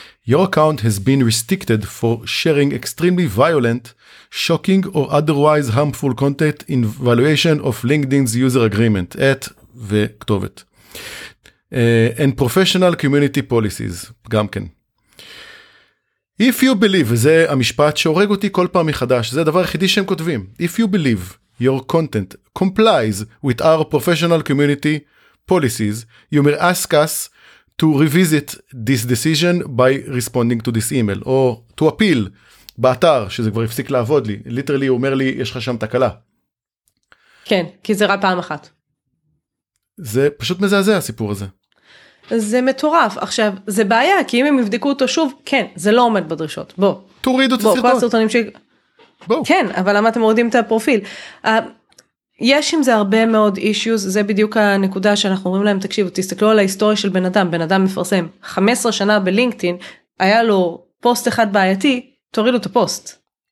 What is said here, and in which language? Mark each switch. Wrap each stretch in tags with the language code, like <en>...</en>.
<en>Your account has been restricted for sharing extremely violent, shocking or otherwise harmful content in violation of LinkedIn's user agreement, at וכתובת. And professional community policies,</en> <he>גם כן.</he> <en>If you believe,</en> <he>וזה המשפט שהורג אותי כל פעם מחדש, זה הדבר היחידי שהם כותבים.</he> <en>If you believe, your content complies with our professional community policies, you may ask us to revisit this decision by responding to this email, or to appeal</en> <he>באתר, שזה כבר הפסיק לעבוד לי. Literally, הוא אומר לי, יש לך שם תקלה. כן, כי זה רק פעם אחת. זה פשוט מזעזע הסיפור הזה. זה מטורף. עכשיו, זה בעיה, כי אם הם יבדקו אותו שוב, כן, זה לא עומד בדרישות. בוא. תורידו את הסרטון. בוא, כל הסרטונים ש... בוא. כן, אבל למה אתם מורידים את הפרופיל? יש עם זה הרבה מאוד אישיוס, זה בדיוק הנקודה שאנחנו אומרים להם, תקשיבו, תסתכלו על ההיסטוריה של בן אדם, בן אדם מפרסם 15 שנה בלינקדאין, היה לו פוסט אחד בעייתי, תורידו את הפוסט.</he>